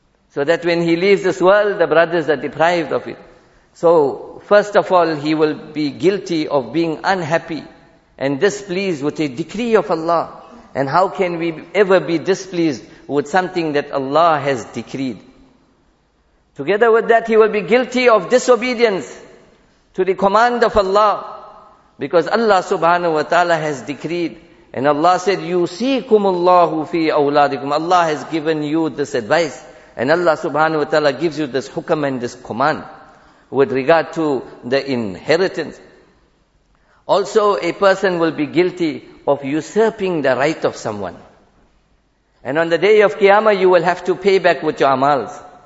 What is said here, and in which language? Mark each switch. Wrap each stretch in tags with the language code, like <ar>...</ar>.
<en>So that when he leaves this world, the brothers are deprived of it. So, first of all, he will be guilty of being unhappy and displeased with a decree of Allah. And how can we ever be displeased with something that Allah has decreed? Together with that, he will be guilty of disobedience to the command of Allah. Because Allah subhanahu wa ta'ala has decreed. And Allah said,</en> <ar>يُوسِيكُمُ اللَّهُ فِي أَوْلَادِكُمْ.</ar> <en>Allah has given you this advice. And Allah subhanahu wa ta'ala gives you this hukam and this command with regard to the inheritance. Also, a person will be guilty of usurping the right of someone. And on the day of Qiyamah, you will have to pay back with your amals.</en>